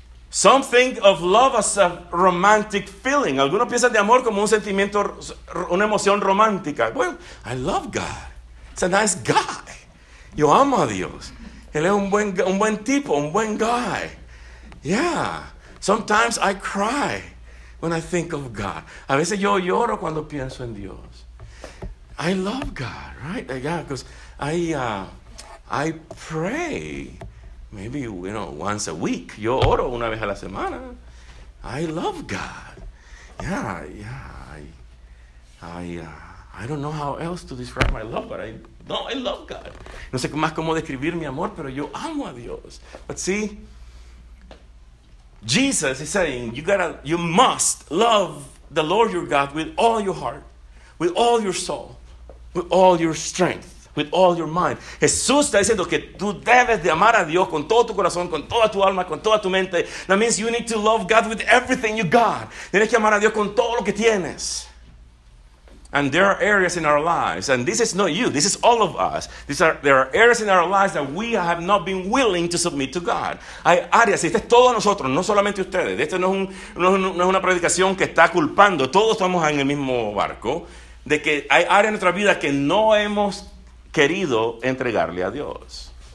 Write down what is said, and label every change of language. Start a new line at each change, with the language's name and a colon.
English: Some think of love as a romantic feeling.
Spanish: Algunos piensan de amor como un sentimiento, una emoción romántica.
English: Well, I love God. He's a nice guy.
Spanish: Yo amo a Dios. Él es un buen tipo, un buen guy.
English: Yeah. Sometimes I cry when I think of God.
Spanish: A veces yo lloro cuando pienso en Dios.
English: I love God, right? Yeah, because I pray maybe, you know, once a week.
Spanish: Yo oro una vez a la semana.
English: I love God. I don't know how else to describe my love, but I love God.
Spanish: No sé más cómo describir mi amor, pero yo amo a Dios.
English: But see, Jesus is saying, you must love the Lord your God with all your heart, with all your soul, with all your strength, with all your mind.
Spanish: Jesús está diciendo que tú debes de amar a Dios con todo tu corazón, con toda tu alma, con toda tu mente.
English: That means you need to love God with everything you got.
Spanish: Tienes que amar a Dios con todo lo que tienes.
English: And there are areas in our lives, and this is not you, this is all of us. There are areas in our lives that we have not been willing to submit to God.
Spanish: Hay áreas, y esto es todo nosotros, no solamente ustedes. Esto no es una predicación que está culpando. Todos estamos en el mismo barco. De que hay áreas en nuestra vida que no hemos querido entregarle a Dios.